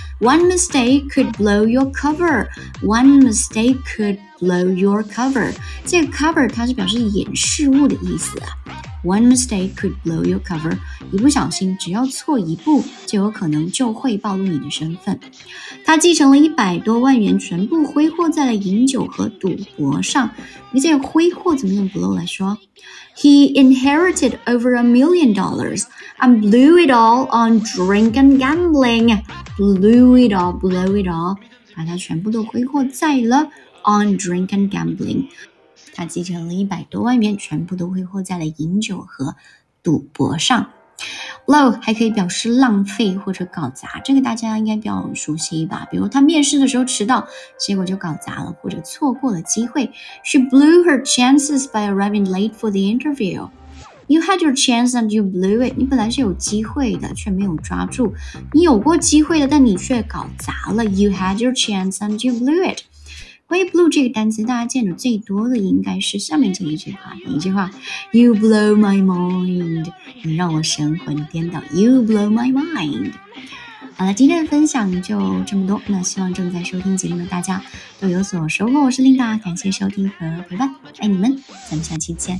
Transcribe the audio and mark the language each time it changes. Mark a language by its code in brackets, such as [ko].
[en] One mistake could blow your cover， One mistake could blow your cover， [zh] 这个 cover 它是表示掩饰物的意思啊。 [en] One mistake could blow your cover， [zh] 一不小心只要错一步就有可能就会暴露你的身份。他继承了100多万元，全部挥霍在了饮酒和赌博上。你这个挥霍怎么用 blow 来说？ [en] He inherited over $1 million and blew it all on drink and gambling. Blew it all, blow it all， [zh] 把他全部都挥霍在了 [en] on drink and gambling。 [zh] 他继承了100多万元，全部都挥霍在了饮酒和赌博上。 Blow 还可以表示浪费或者搞砸，这个大家应该比较熟悉吧，比如他面试的时候迟到结果就搞砸了，或者错过了机会。 [en] She blew her chances by arriving late for the interview. You had your chance and you blew it. [zh] 你本来是有机会的却没有抓住，你有过机会的但你却搞砸了。 [en] You had your chance and you blew it。 [zh] 关于 blow 这个单词，大家见的最多的应该是下面这一句话。一句话 ， [en] You blow my mind， [zh] 你让我神魂颠倒。 [en] You blow my mind。 [zh] 好了，今天的分享就这么多。那希望正在收听节目的大家都有所收获。我是琳达，感谢收听和陪伴，爱你们，咱们下期见。